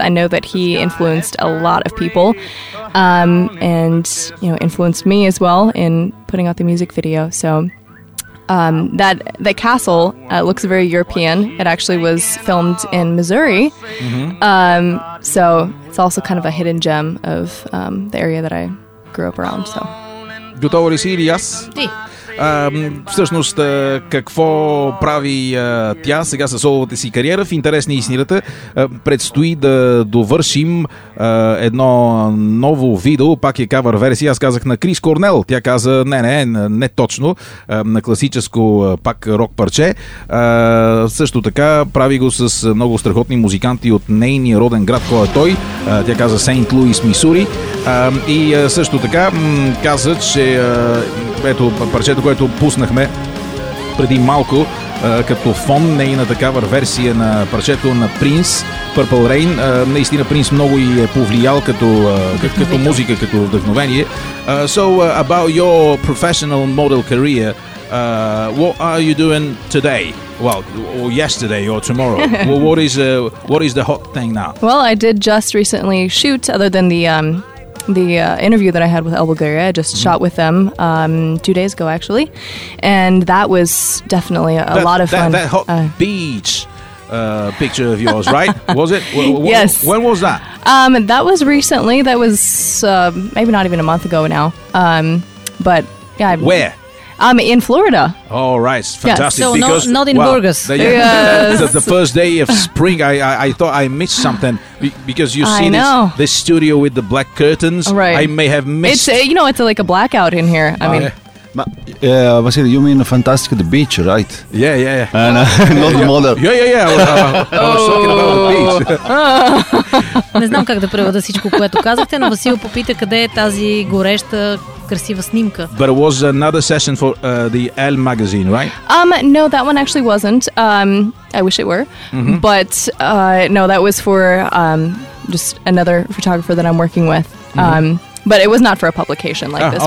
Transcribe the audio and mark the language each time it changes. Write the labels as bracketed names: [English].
[English] I know that he influenced a lot of people and influenced me as well in putting out the music video. So that castle looks very European. It actually was filmed in Missouri. Mm-hmm. So it's also kind of a hidden gem of the area that I grew up around. So. [Bulgarian] Готова ли си или аз? Ти. Всъщност, какво прави тя сега със соловата си кариера? В интерес на истината, предстои да довършим едно ново видео, пак е кавър версия. Аз казах на Крис Корнел. Тя каза, не точно, на класическо пак рок парче. Също така, прави го с много страхотни музиканти от нейния роден град, кой е той. Тя каза Сейнт Луис, Мисури. И също така каза, че ето парчето, което пуснахме преди малко, като фон нейната кавър версия на парчето на Prince, Purple Rain. Наистина Prince много и е повлиял като, като музика, като вдъхновение. [English] So about your professional model career, what are you doing today? Well, or yesterday or tomorrow. Well, what is the hot thing now? Well, I did just recently shoot, other than the interview that I had with El Bulgaria. I just shot with them 2 days ago, actually. And that was definitely a lot of fun. That hot beach picture of yours, right? Was it? Yes. When was that? That was recently. That was maybe not even a month ago now. But yeah. Where? In Florida. Oh, right. Fantastic. Yes. So because, not in Burgos. The, yeah, yes. The first day of spring, I thought I missed something. Because you see this studio with the black curtains. Right. I may have missed. It's like a blackout in here. I mean. Vasily, you mean fantastic the beach, right? Yeah. And not the model. Yeah. I was talking about the beach. [Bulgarian] Не знам как да преведа всичко, което казахте, но Васил попита къде е тази гореща красива снимка. [English] But it was another session for the Elle magazine, right? No, that one actually wasn't. I wish it were. Mm-hmm. But no, that was for just another photographer that I'm working with. But it was not for a publication like this